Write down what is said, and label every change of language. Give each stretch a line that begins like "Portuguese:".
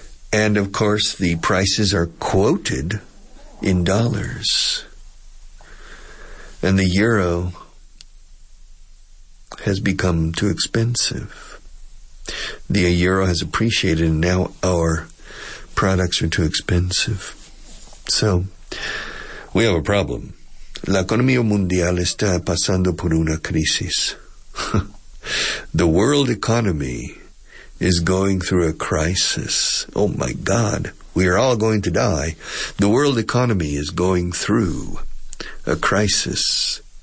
English: And, of course, the prices are quoted in dollars. And the euro has become too expensive. The euro has appreciated, and now our products are too expensive. So, we have a problem.
Spanish: La economía mundial está pasando por una crisis.
English: The world economy is going through a crisis. Oh my God, we are all going to die. The world economy is going through a crisis.